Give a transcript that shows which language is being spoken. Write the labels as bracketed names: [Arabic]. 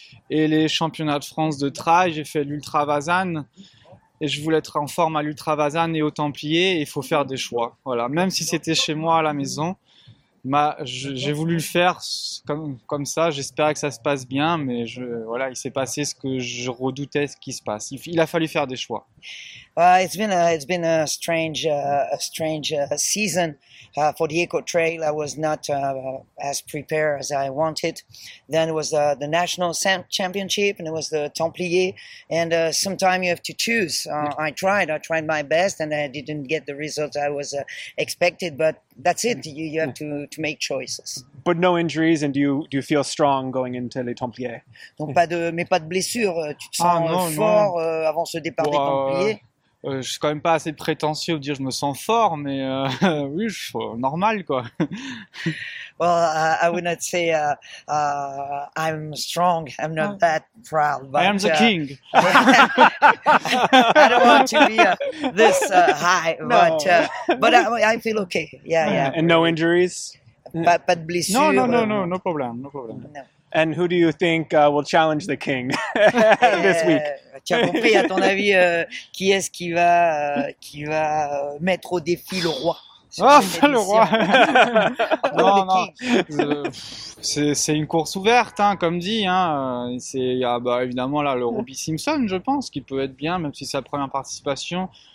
[French] Et les championnats de France de trail, j'ai fait l'Ultra Vasane. Et je voulais être en forme à l'Ultra Vasane et aux Templiers. Il faut faire des choix. Voilà. Même si c'était chez moi à la maison. J'ai voulu le faire comme ça, j'espérais que ça se passe bien, mais voilà, il s'est passé ce que je redoutais ce qui se passe. Il a fallu faire des choix. [English] It's been a strange season for the Eco Trail. I was not as prepared as I wanted. Then it was the national championship and it was the Templier. And sometimes you have to choose. I tried my best and I didn't get the results I was expected. But that's it. You have to make choices. But no injuries, and do you feel strong going into les Templiers? [French] Donc pas de blessures. Tu te sens fort avant ce départ des Templiers. Je suis quand même pas assez prétentieux de dire je me sens fort, mais oui, je suis normal quoi. [English] Well, I would not say I'm strong. I'm not that proud. But, I am the king. I don't want to be this high, no. But I feel okay. Yeah. And no injuries. [French] Pas de blessures. [English] No problem. No problem. No. And who do you think will challenge the king this week? [French] Tu as compris, à ton avis, qui est-ce qui va mettre au défi le roi? Oh, le roi. non. C'est une course ouverte, hein, comme dit. Hein. Évidemment, là, le Robbie Simpson, je pense, qui peut être bien, même si c'est sa première participation.